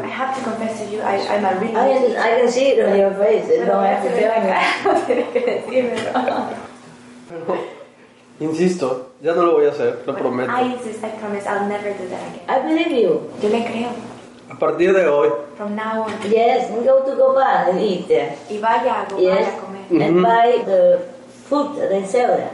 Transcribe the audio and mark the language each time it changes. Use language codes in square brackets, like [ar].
[en] I have to confess to you, I'm a real meat. I can see it on your face. It don't have to feel like that. [es] Pero, insisto, ya no lo voy a hacer, lo prometo. [en] I insist, I promise, I'll never do that again. I believe you. [es] Yo le creo. A partir de hoy. [en] From now on. Yes, and go to Goba and eat there. [es] Y vaya a Goba, [en] yes, [es] a comer. [en] And buy the food that they sell there.